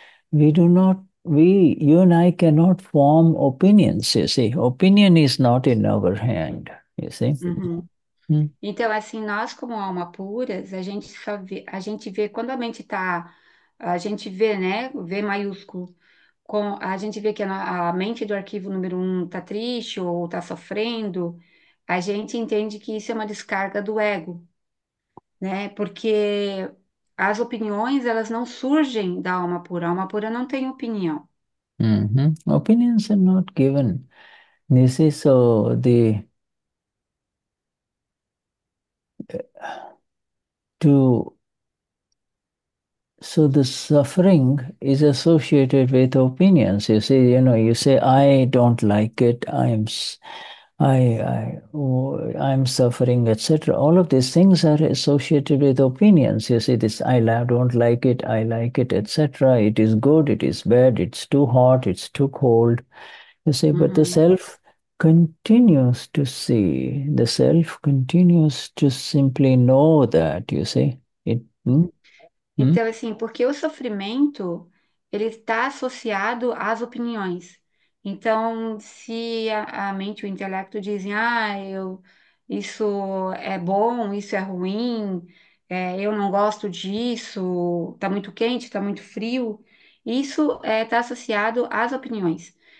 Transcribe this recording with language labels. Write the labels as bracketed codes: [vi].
[en] You and I cannot form opinions. You see, opinion is not in our hand. You see. [pt] Então, assim, nós como alma puras, a gente vê quando a mente tá, a gente vê, né? Vê maiúsculo. A gente vê que a mente do arquivo número 1 está triste ou está sofrendo, a gente entende que isso é uma descarga do ego, né? Porque as opiniões, elas não surgem da alma pura. A alma pura não tem opinião. [en] Opinions are not given. This is so the suffering is associated with opinions. You say, I don't like it. I'm suffering, etc. All of these things are associated with opinions. You see, this I don't like it, I like it, etc. It is good, it is bad, it's too hot, it's too cold. You see, but the self continues to simply know that, you see. [pt] Então, assim, porque o sofrimento, ele está associado às opiniões. Então, se a mente, o intelecto dizem, ah, isso é bom, isso é ruim, eu não gosto disso, está muito quente, está muito frio, isso está associado às opiniões.